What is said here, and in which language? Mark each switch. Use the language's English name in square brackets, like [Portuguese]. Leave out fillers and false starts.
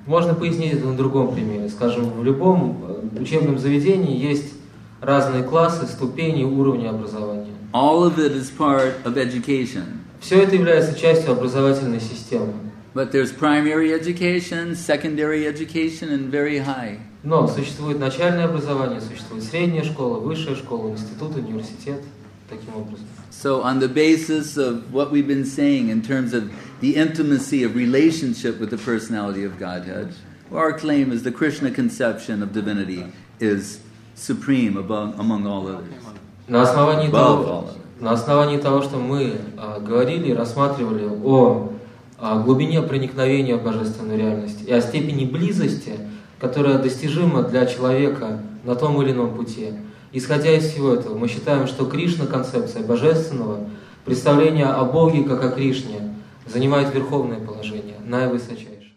[Russian] Можно пояснить это на другом примере. Скажем, в любом учебном заведении есть разные классы, ступени, уровни образования. [English] All of it is part of education. [Russian] Все это является частью образовательной системы. [English] But there's primary education, secondary education, and very high. [Russian] Но существует начальное образование, существует средняя школа, высшая школа, институт, университет, таким образом. [English] So on the basis of what we've been saying in terms of the intimacy of relationship with the personality of Godhead, our claim is the Krishna conception of divinity is supreme above among all others. [Russian] На основании того. На основании того, что мы говорили и рассматривали о глубине проникновения в божественную реальность и о степени близости, которая достижима для человека на том или ином пути. Исходя из всего этого, мы считаем, что Кришна-концепция божественного, представление о Боге как о Кришне, занимает верховное положение, наивысочайшее.